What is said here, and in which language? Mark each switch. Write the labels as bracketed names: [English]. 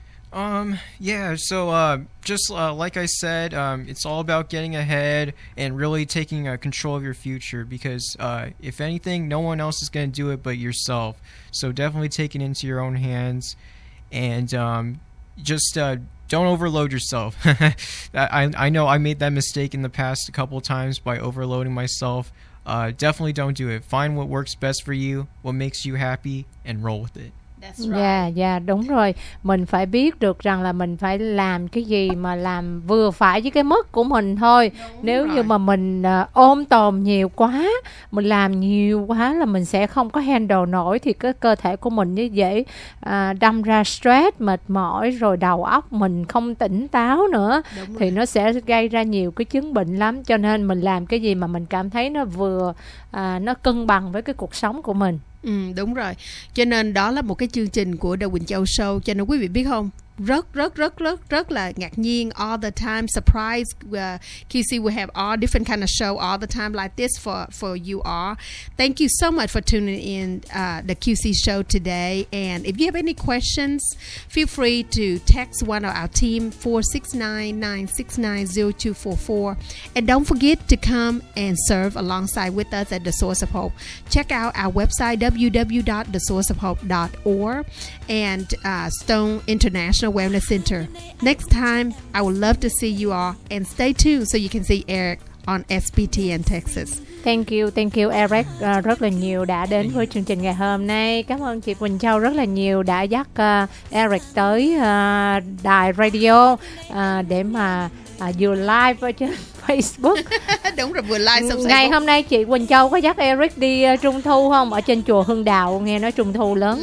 [English] Like I said, it's all about getting ahead and really taking control of your future, because if anything, no one else is going to do it but yourself. So definitely take it into your own hands, and just don't overload yourself. I know I made that mistake in the past a couple of times by overloading myself. Definitely don't do it. Find what works best for you, what makes you happy, and roll with it. That's right. Yeah, yeah, [Vietnamese] đúng rồi. Mình phải biết được rằng là mình phải làm cái gì mà làm vừa phải với cái mức của mình thôi. Đúng Nếu rồi. Như mà mình ôm tồn nhiều quá, mình làm nhiều quá là mình sẽ không có handle nổi, thì cái cơ thể của mình như dễ đâm ra stress, mệt mỏi, rồi đầu óc mình không tỉnh táo nữa. Đúng thì rồi. Nó sẽ gây ra nhiều cái chứng bệnh lắm. Cho nên mình làm cái gì mà mình cảm thấy nó vừa, nó cân bằng với cái cuộc sống của mình. Ừ, đúng rồi. Cho nên đó là một cái chương trình của The Quỳnh Châu Show. Cho nên quý vị biết không, rất là ngạc nhiên. [English] All the time, surprise. Kisi will have all different kind of show all the time like this for you all. Thank you so much for tuning in the QC show today. And if you have any questions, feel free to text one of our team, 469-969-0244. And don't forget to come and serve alongside with us at The Source of Hope. Check out our website, www.thesourceofhope.org, and Stone International Wellness Center. Next time, I would love to see you all, and stay tuned so you can see Eric on SBTN Texas. Thank you [Vietnamese] Eric rất là nhiều đã đến với chương trình ngày hôm nay. Cảm ơn chị Quỳnh Châu rất là nhiều đã dắt Eric tới đài radio để mà vừa live ở trên Facebook. Đúng rồi, vừa live xong. Ngày hôm nay chị Quỳnh Châu có dắt Eric đi trung thu không? Ở trên chùa Hưng Đạo, nghe nói trung thu lớn.